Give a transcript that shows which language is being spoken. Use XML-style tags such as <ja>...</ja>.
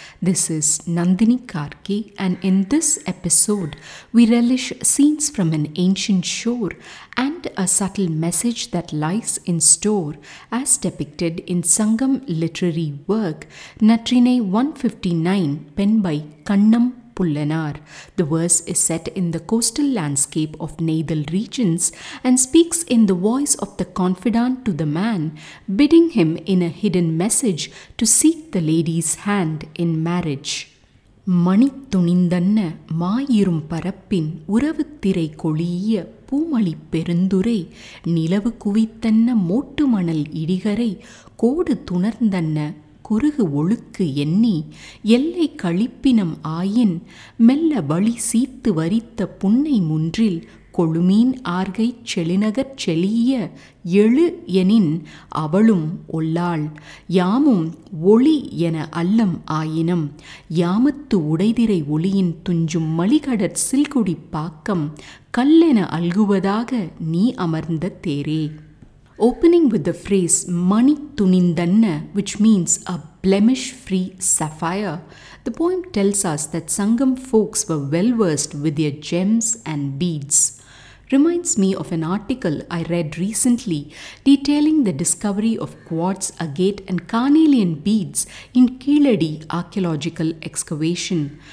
<en>This is Nandini Karki, and in this episode, we relish scenes from an ancient shore and a subtle message that lies in store as depicted in Sangam literary work Natrinai 159, penned by Kannam Pullanaar. The verse is set in the coastal landscape of Neythal regions and speaks in the voice of the confidant to the man, bidding him in a hidden message to seek the lady's hand in marriage.</en> <ta>Mani tunindanna maayirum parappin uravu thirai koliya பூமளி பெருந்துரை நிலவு குவித்தன்ன மோட்டு மணல் இடிகரை கோடு துணர்ந்தன்ன குறுகு ஒழுக்கு எண்ணி எல்லை கழிப்பினம் ஆயின் மெல்ல வழி சீத்து வரித்த புன்னை முன்றில் கொழுமீன் ஆர்கை செளிநகர் செளிய எழு எனின் அவளும் ஒல்லாள் யாமும் ஒளி என அல்லம் ஆயினம் யாமத்து உடைதிரை ஒளியின் துஞ்சும் மலிகடற் சில்குடி பாக்கம் கல்லென அல்குவதாக நீ அமர்ந்த தேரே.</ta> <en>Opening with the phrase Mani Tunindanna, which means a blemish-free sapphire, the poem tells us that Sangam folks were well-versed with their gems and beads. Reminds me of an article I read recently detailing the discovery of quartz, agate and carnelian beads in Keeladi archaeological excavation.</en>